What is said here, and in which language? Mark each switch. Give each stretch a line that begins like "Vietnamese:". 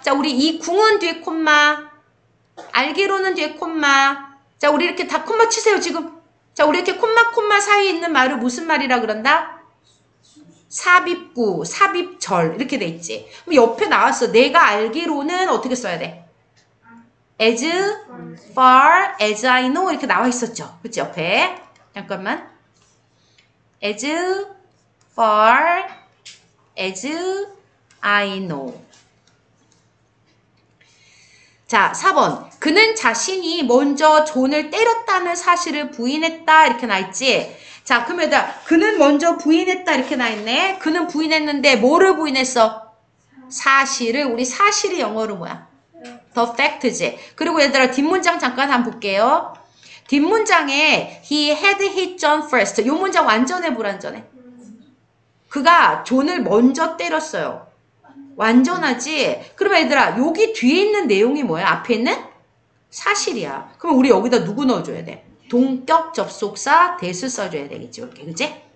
Korean: 자, 우리 이 궁은 뒤에 콤마. 알기로는 뒤에 콤마. 자, 우리 이렇게 다 콤마 치세요, 지금. 자, 우리 이렇게 콤마 콤마 사이에 있는 말을 무슨 말이라 그런다? 삽입구, 삽입절 이렇게 돼 있지. 그럼 옆에 나왔어. 내가 알기로는 어떻게 써야 돼?
English: As far as I know
Korean: 이렇게 나와 있었죠. 그치, 옆에. 잠깐만.
English: As far as I know.
Korean: 자, 4번. 그는 자신이 먼저 존을 때렸다는 사실을 부인했다. 이렇게 나 있지? 자, 그러면 그는 먼저 부인했다. 이렇게 나 있네. 그는 부인했는데 뭐를 부인했어? 사실을. 우리 사실이 영어로 뭐야?
English: The fact지.
Korean: 그리고 얘들아, 뒷문장 잠깐 한번 볼게요. 뒷문장에
English: he had hit John first.
Korean: 요 문장 완전해, 불완전해? 그가 존을 먼저 때렸어요. 완전하지? 그러면 얘들아, 여기 뒤에 있는 내용이 뭐야? 앞에 있는 사실이야. 그럼 우리 여기다 누구 넣어줘야 돼? 동격 접속사 대수 써줘야 되겠지. 이렇게, 그치?